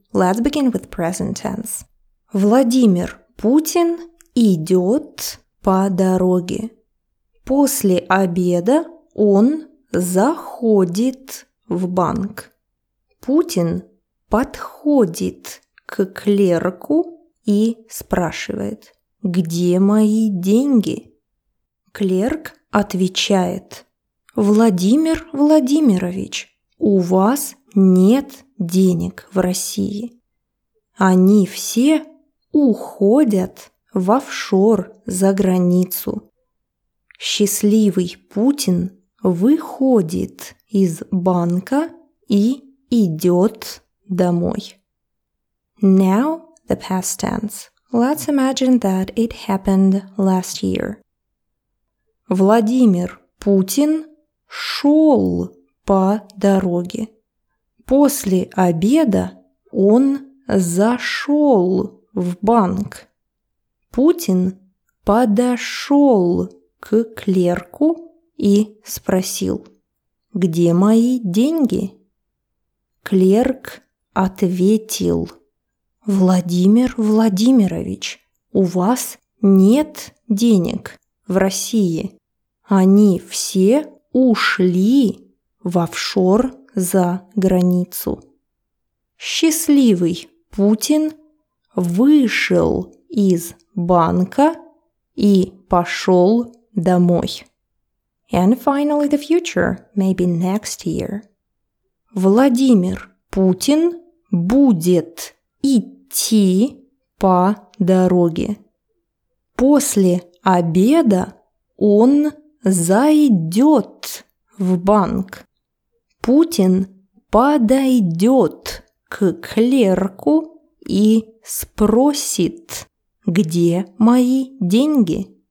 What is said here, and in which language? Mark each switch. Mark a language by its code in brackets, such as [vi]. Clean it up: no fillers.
[en] Let's begin with present tense. [ru] Владимир Путин идет по дороге. После обеда он заходит в банк. Путин подходит к клерку и спрашивает: «Где мои деньги?» Клерк отвечает: «Владимир Владимирович, у вас нет денег в России. Они все уходят в офшор за границу». Счастливый Путин выходит из банка и идет домой. [en] Now the past tense. Let's imagine that it happened last year. [ru] Владимир Путин шел по дороге. После обеда он зашел в банк. Путин подошел к клерку и спросил: «Где мои деньги?» Клерк ответил: «Владимир Владимирович, у вас нет денег в России. Они все ушли в офшор за границу». Счастливый Путин вышел из банка и пошел домой. [en] And finally the future, maybe next year. [ru] Владимир Путин будет идти по дороге. После обеда он зайдет в банк. Путин подойдет к клерку и спросит: «Где мои деньги?»